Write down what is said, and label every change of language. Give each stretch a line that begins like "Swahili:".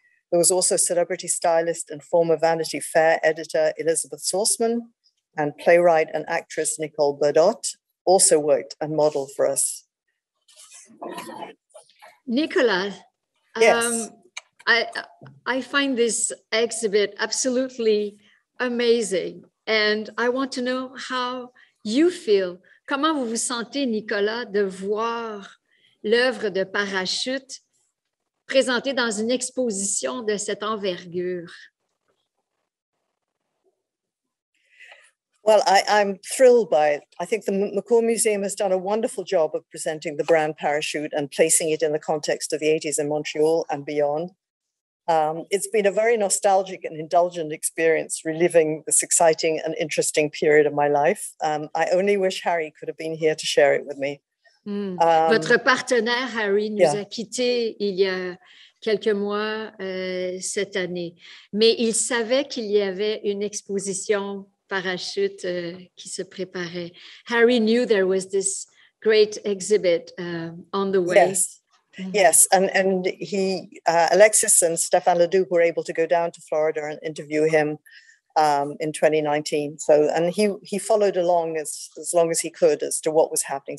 English: There was also celebrity stylist and former Vanity Fair editor Elizabeth Sourceman, and playwright and actress Nicole Burdott, also worked and modeled for us. Nicola, yes. I find this exhibit absolutely amazing. And I want to know how you feel.
French: Comment vous vous sentez, Nicola, de voir l'œuvre de Parachute présentée dans une exposition de cette envergure?
English: Well, I'm thrilled by it. I think the McCord Museum has done a wonderful job of presenting the brand parachute and placing it in the context of the 80s in Montreal and beyond. It's been a very nostalgic and indulgent experience reliving this exciting and interesting period of my life. I only wish Harry could have been here to share it with me.
French: Votre partenaire, Harry, nous a quittés il y a quelques mois cette année. Mais il savait qu'il y avait une exposition parachute qui se préparait.
English: Harry knew there was this great exhibit on the way. Yes. Yes, and he Alexis and Stéphane Ledoux were able to go down to Florida and interview him in 2019. So, and he followed along as long as he could as to what was happening.